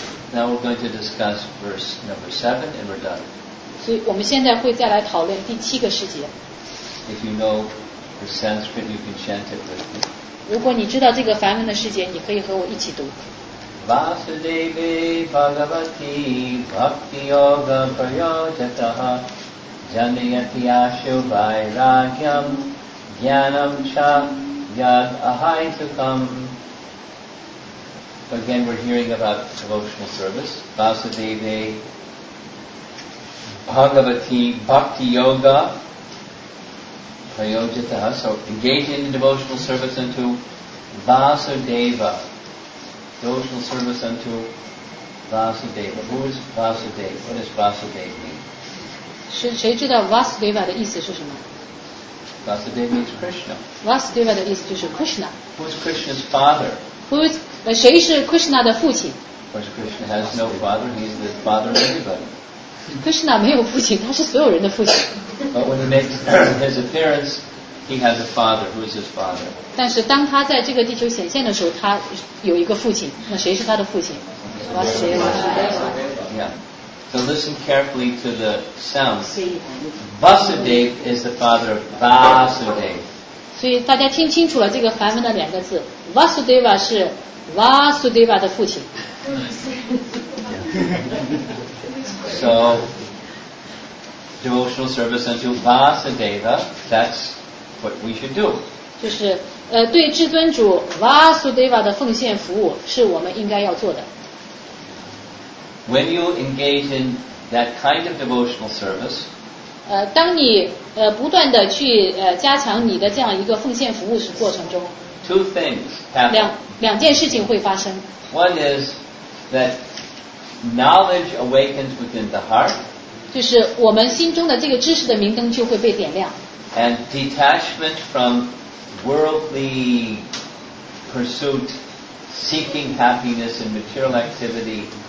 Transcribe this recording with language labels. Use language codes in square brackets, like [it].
[en] Now we're going to discuss verse number 7 and we're done. [zh] 所以我们现在会再来讨论第七个诗节。 [en] If you know the Sanskrit, you can chant it with me. [zh] 如果你知道这个梵文的诗节，你可以和我一起读。 [sa] Vasudeva Bhagavati Bhakti Yoga Prayojataha. Janayati Asho Vairagyam Jnanam Cha Yad Ahai Sukham. [en] Again, we're hearing about devotional service. [sa] Vasudeva Bhagavati Bhakti Yoga Prayojataha. [en] So engaging in devotional service unto Vasudeva. Devotional service unto Vasudeva. Who is Vasudeva? What does Vasudeva mean? [zh] 是谁知道 Vasudeva 的意思是什么 [en] ？Vasudeva means Krishna. [zh] Vasudeva 的意思就是 Krishna. [en] Who is Krishna's father? Who is [zh] 谁是 Krishna 的父亲 [en] ？Of course, Krishna has no father. He's the father of everybody. [zh] Krishna 没有父亲，他是所有人的父亲。 [en] But when he makes his appearance, he has a father. Who is his father? [zh] 但是当他在这个地球显现的时候，他有一个父亲。那谁是他的父亲 ？Vasudeva. [en] Yeah. So listen carefully to the sound. Vasudev is the father of Vasudev. [zh] 所以大家听清楚了这个梵文的两个字 ，Vasudeva 是 Vasudeva 的父亲。 [en] So devotional service unto Vasudeva. That's what we should do. [zh] 就是对至尊主 Vasudeva 的奉献服务是我们应该要做的。 [en] When you engage in that kind of devotional service, [zh] 当你不断的去加强你的这样一个奉献服务的过程中 [en] ，two things happen. [zh] 两件事情会发生。 [en] One is that knowledge awakens within the heart. [zh] 就是我们心中的这个知识的明灯就会被点亮。 [en] And detachment from worldly pursuit, seeking happiness and material activity.